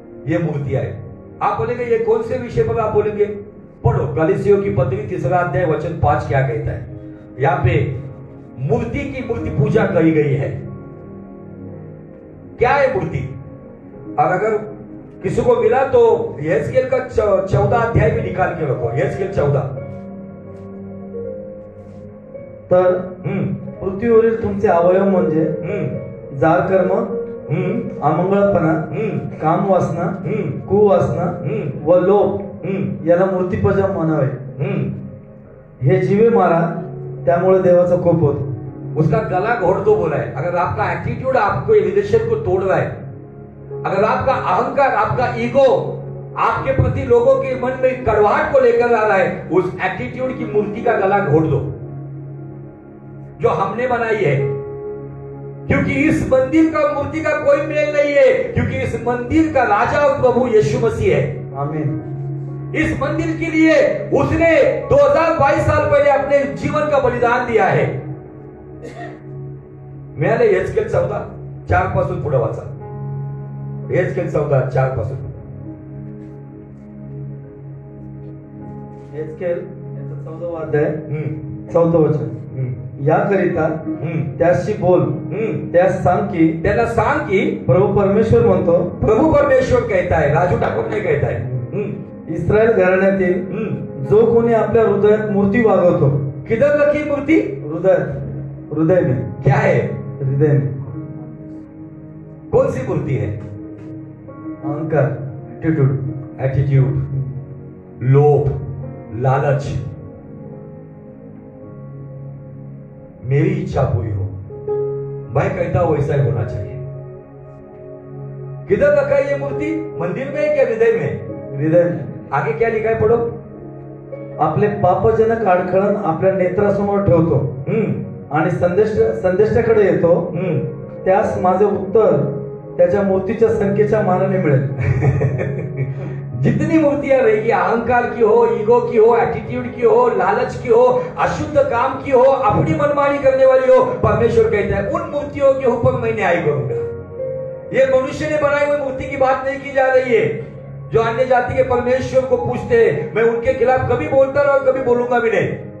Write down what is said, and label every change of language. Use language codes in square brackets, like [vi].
[hi] ये मूर्तियां है। आप बोलेंगे ये कौन से विषय पर? आप बोलेंगे पढ़ो गलिसियों की पत्री 3:5 क्या कहता है। यहां पे मूर्ति की मूर्ति पूजा करी गई है। क्या है मूर्ति? और अगर किसी को मिला तो यहेजकेल का 14 भी निकाल के रखो। यहेजकेल 14 [mr] तर पृथ्वीवरील तुमचे अवयव म्हणजे जार कर्म, अमंगळपणा, काम वासना, कुवासना व लोभ याला मूर्तिपूजा म्हणावे। हे जीवे मारा त्यामुळे देवाचा कोप होतो. [hi] उसका गला घोट दो बोला है. अगर आपका एटीट्यूड आपको लीडरशिप को तोड़ रहा है, अगर आपका अहंकार आपका ईगो आपके प्रति लोगों के मन में कड़वाहट को लेकर आ रहा है, उस एटीट्यूड की मूर्ति का गला घोट दो जो हमने बनाई है. क्योंकि इस मंदिर का मूर्ति का कोई मेल नहीं है, क्योंकि इस मंदिर का राजा और प्रभु यीशु मसीह है. आमीन. इस मंदिर के लिए उसने 2022 साल पहले अपने जीवन का बलिदान दिया है. [mr] मैंने यजकेल 14:4 पासून पुढे वाचा. यजकेल 14:4 पासून यजकेल 14वा अध्याय 14 वचन. याकरिता त्याशी बोल, त्यास सांग की, त्याला सांग की प्रभु परमेश्वर म्हणतो. [hi] प्रभु परमेश्वर कहता है, राजू ठाकूर नाही कहता है. [mr] इस्रायल घराण्यातील जो कोणी आपल्या हृदयात मूर्ती वागवतो. [hi] किधर रखी मूर्ती? हृदयात. हृदय में क्या है? हृदय में. कौन सी मूर्ती है? अहंकार, एटीट्यूड, एटीट्यूड, लोभ, लालच. मेरी इच्छा पूरी हो, मैं कहता हूं वैसा ही होना चाहिए. किधर रखा है ये मूर्ति? मंदिर में है क्या? हृदय में. हृदय में. आगे क्या लिखा है पढ़ो. [mr] आपले पापजनक अडखळण आपल्या नेत्रासमोर ठेवतो आणि संदेशाकडे येतो. त्यास माझे उत्तर त्याच्या मूर्तीच्या संख्येच्या मानाने मिळेल. [hi] जितनी मूर्तियां रहेगी, अहंकार की हो, ईगो की हो, एटीट्यूड की हो, लालच की हो, अशुद्ध काम की हो, अपनी मनमानी करने वाली हो, परमेश्वर कहता है उन मूर्तियों के ऊपर मैं न्याय करूंगा. ये मनुष्य ने बनाई हुई मूर्ति की बात नहीं की जा रही है. जो अन्य जाति के परमेश्वर को पूछते हैं, मैं उनके खिलाफ कभी बोलता रहा, कभी बोलूंगा भी नहीं.